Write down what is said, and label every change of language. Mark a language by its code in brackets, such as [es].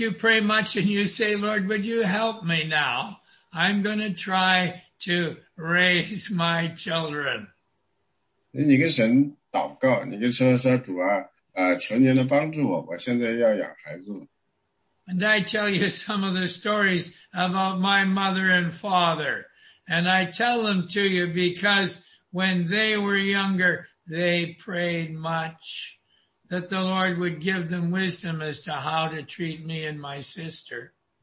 [en] you pray much and you say, Lord, would you help me now? I'm going to try to raise my children. [zh] 你跟神祷告，你就说说主啊，求您的帮助我，我现在要养孩子。 [en] And I tell you some of the stories about my mother and father, and I tell them to you because when they were younger, they prayed much that the Lord would give them wisdom as to how to treat me and my sister.